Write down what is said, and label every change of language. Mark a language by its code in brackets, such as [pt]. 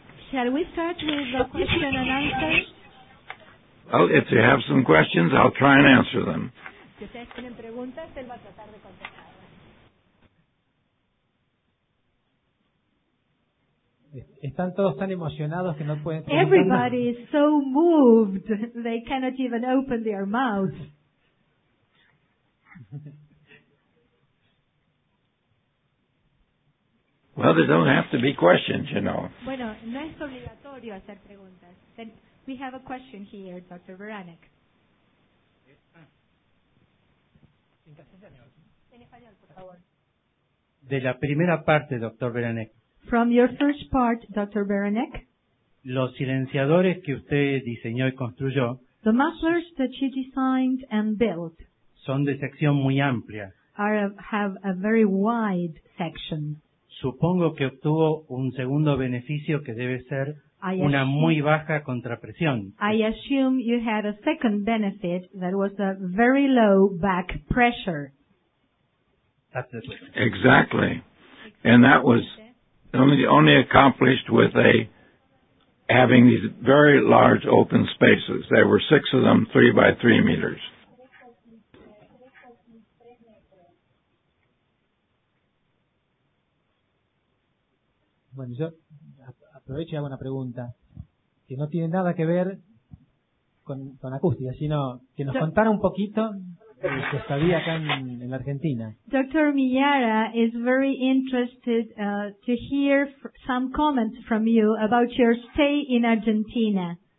[en] Shall we start with the question and answer? Well, if you have some questions, I'll try and answer them. [es] Si ustedes tienen preguntas, él va a tratar de contestar. Están todos tan emocionados que no pueden. [en] Everybody is so moved they cannot even open their mouth. Well, they don't have to be questions, you know. [es] Bueno, no es obligatorio hacer preguntas. [en] Then we have a question here, Dr. Beranek. [es] En español, por favor. De la primera parte, Dr. Beranek. [en] From your first part, Dr. Beranek. [es] Los silenciadores que usted diseñó y construyó. [en] The mufflers that you designed and built. [es] Son de sección muy amplia. [en] Have a very wide section. [es] Supongo que obtuvo un segundo beneficio que debe ser una muy baja contrapresión. [en] I assume you had a second benefit that was a very low back pressure. That's the question. Exactly. And that was only accomplished with having these very large open spaces. There were six of them, 3 by 3 meters. [es] Bueno, yo aprovecho y hago una pregunta que no tiene nada que ver con acústica, sino que nos contara un poquito. [en] Dr. Miyara is very interested to hear some comments from you about your stay in Argentina.